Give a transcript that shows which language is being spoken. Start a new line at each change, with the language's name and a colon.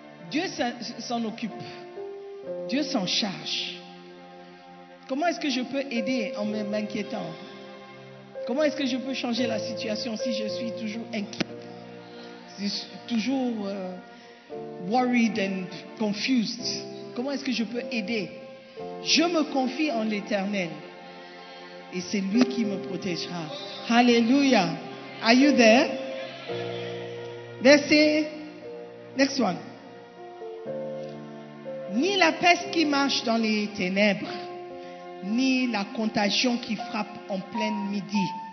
French: Dieu s'en occupe. Dieu s'en charge. Comment est-ce que je peux aider en m'inquiétant? Comment est-ce que je peux changer la situation si je suis toujours inquiet? Toujours
English: worried and confused.
French: Comment est-ce que je peux aider? Je me confie en l'Éternel. Et c'est lui qui me protégera.
English: Alléluia. Are you there? Verset. Next one.
French: Ni la peste qui marche dans les ténèbres, ni la contagion qui frappe en plein midi.